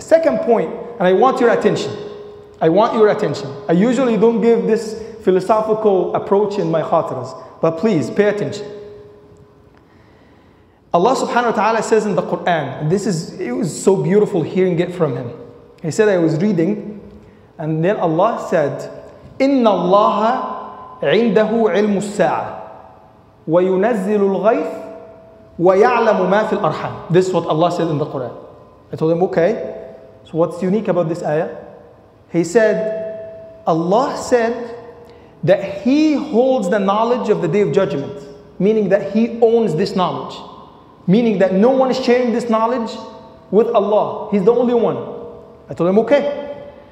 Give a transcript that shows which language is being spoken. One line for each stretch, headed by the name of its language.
English: Second point, and I want your attention. I want your attention. I usually don't give this philosophical approach in my khatras, but please pay attention. Allah subhanahu wa ta'ala says in the Quran, and this is, it was so beautiful hearing it from him. He said, I was reading, and then Allah said,
Arabic: إِنَّ اللَّهَ عِنْدَهُ عِلْمُ السَّاعَةِ وَيُنَزِّلُ الْغَيْثِ وَيَعْلَمُ مَا فِي الْأَرْحَامِ.
English: This is what Allah said in the Quran. I told him, okay, so what's unique about this ayah? He said, Allah said that He holds the knowledge of the Day of Judgment, meaning that He owns this knowledge. Meaning that no one is sharing this knowledge with Allah. He's the only one. I told him, okay.